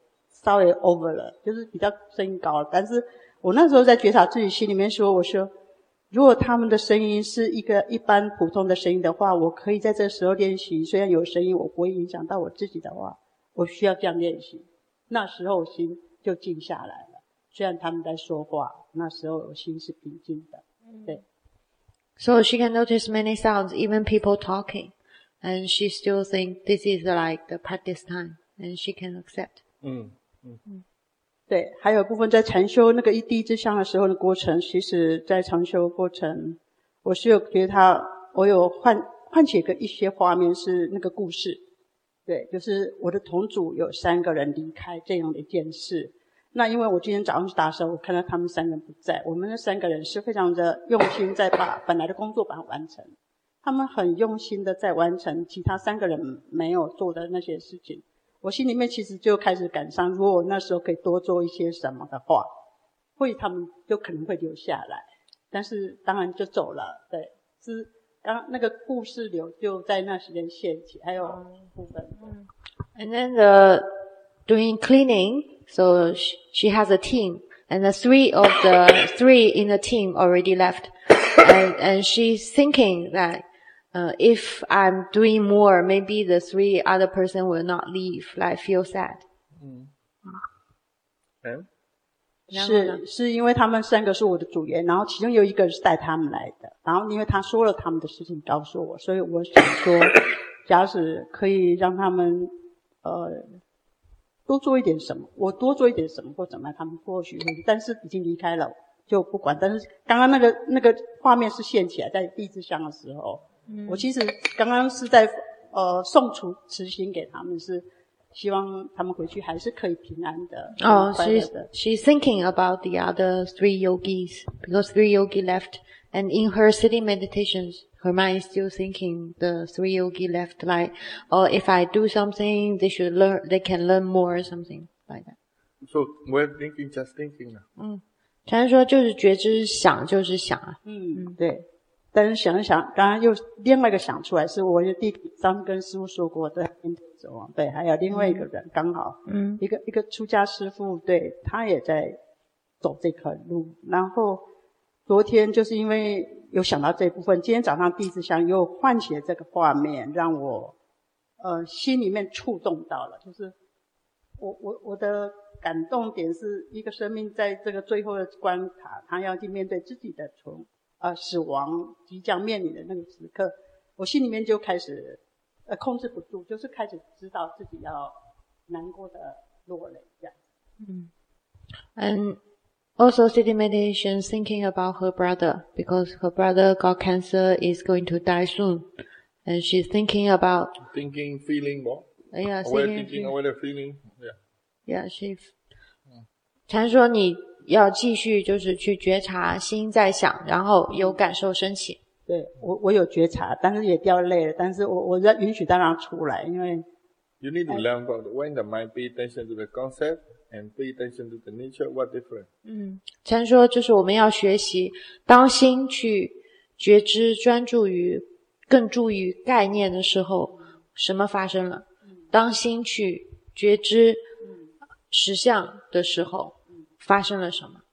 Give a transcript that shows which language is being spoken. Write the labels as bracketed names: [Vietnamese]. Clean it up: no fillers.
[Chinese] 稍微 over 了就是比较声音高了但是我那时候在觉察自己心里面说我说如果他们的声音是一个一般普通的声音的话我可以在这时候练习虽然有声音我不会影响到我自己的话我需要这样练习那时候我心就静下来了虽然他们在说话那时候我心是平静的对 [English] So she can notice many sounds even people talking and she still think this is like the practice time and she can accept [Chinese] 对还有部分在禅修那个第一支香的时候的过程其实在禅修的过程我是有觉得他我有唤起个一些画面是那个故事对就是我的同组有三个人离开这样的一件事那因为我今天早上去打的时候我看到他们三个人不在我们那三个人是非常的用心在把本来的工作把它完成他们很用心的在完成其他三个人没有做的那些事情我心里面其实就开始感伤如果我那时候可以多做一些什么的话会他们就可能会留下来但是当然就走了对是刚那个故事流就在那时间现起还有部分 [English] And then the doing cleaning So she has a team, and the three in the team already left. And she's thinking that, if I'm doing more, maybe the three other person will not leave, like feel sad. Mm. Okay. [Chinese] 是因为他们三个是我的组员，然后其中有一个是带他们来的，然后因为他说了他们的事情告诉我，所以我想说，假使可以让他们，多做一点什么，我多做一点什么或怎么样，他们或许会，但是已经离开了，就不管。但是刚刚那个画面是现起来，在第一支香的时候，我其实刚刚是在送出慈心给他们，是希望他们回去还是可以平安的。 [English] 哦、she's thinking about the other three yogis because three yogi left, and in her sitting meditations. Her mind is still thinking the three yogi left, like, oh, if I do something, they should learn, they can learn more, something like that. So, we're thinking, just thinking. [Chinese] 嗯，禅师说就是觉知，想就是想啊。嗯，对。但是想一想，刚刚又另外一个想出来，是我的弟弟张跟师父说过，在走亡，对，还有另外一个人，刚好，一个出家师父，对，他也在走这条路。然后昨天就是因为有想到这部分，今天早上弟子想又唤起了这个画面，让我心里面触动到了，就是我的感动点是一个生命在这个最后的关卡，他要去面对自己的死亡即将面临的那个时刻，我心里面就开始控制不住，就是开始知道自己要难过的落泪这样。 [English] Also, sitting meditation, thinking about her brother, because her brother got cancer, is going to die soon. And she's thinking about... Thinking, feeling more. Yeah, thinking, feeling. Yeah. Yeah, she... [Chinese] 禅说你要继续就是去觉察心在想，然后有感受升起。对，我有觉察，但是也掉泪了，但是我要允许当然出来，因为... [English] You need to learn about when the mind pay attention to the concept,And pay attention to the nature, what different? [Chinese] 禅说就是我们要学习当心去觉知专注于更注于概念的时候什么发生了。当心去觉知实相的时候发生了什么。